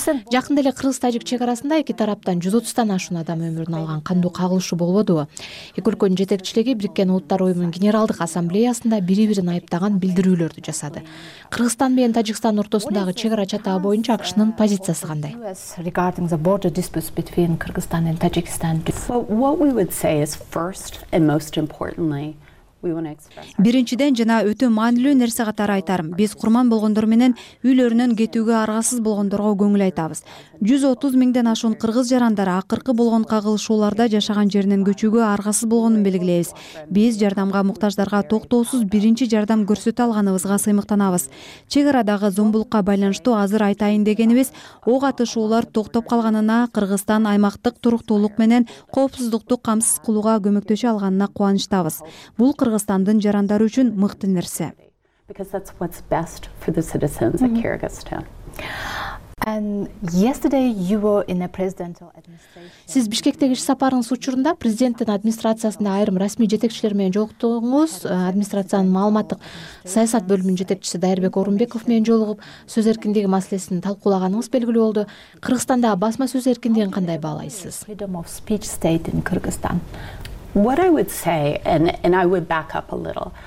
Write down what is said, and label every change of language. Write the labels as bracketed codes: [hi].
[ky] Жакында эле кыргыз тажик чек арасында эки тараптан 130 ашуун адам өмүрүн алган кандуу кагылышуу болбодубу? Эки өлкөнүн жетекчилиги Бириккен Улуттар Уюмунун Генералдык Ассамблеясында бири бирин айыптаган билдирүүлөрдү жасады. Кыргызстан менен Тажикстан ортосундагы чек ара чатагы боюнча АКШнын позициясы кандай? [en] Regarding the border dispute between Kyrgyzstan and Tajikistan. What we would say is first and most importantly, [ky] биринчиден жана өтө маанилүү нерсе катары айтарым, биз курман болгондор менен үйлөрүнөн кетүүгө аргасыз болгондорго көңүл айтабыз. 130 000 ашуун кыргыз жарандары акыркы болгон кагылышууларда жашаган жеринен көчүүгө аргасыз болгонун белгилейбиз. Биз жардамга муктаждарга токтоосуз биринчи жардам көрсөтө алганыбызга сыймыктанабыз. Чек арадагы зомбулукка байланыштуу азыр айтайын дегенибиз, ок атышуулар токтоп калганына, Кыргызстан аймактык туруктуулук менен коопсуздукту камсыз кылууга көмөктөшө алганына кубанычтабыз. Бул Кыргызстандын жарандары үчүн мыкты нерсе. [en] Because that's what's best for the citizens of Kyrgyzstan. And yesterday you were in a presidential administration. [ky] Сиз Бишкектеги иш сапарыңыз учурунда президенттин администрациясында айрым расмий жетекчилер менен жолуктуңуз. Администрациянын маалыматтык саясат бөлүмүнүн жетекчиси Дайырбек Орунбеков менен жолугуп, сөз эркиндиги маселесин талкуулаганыңыз белгилүү болду. Кыргызстанда басма сөз эркиндигин кандай баалайсыз? [en] Freedom of speech state in Kyrgyzstan. What I would say and I would back up a little.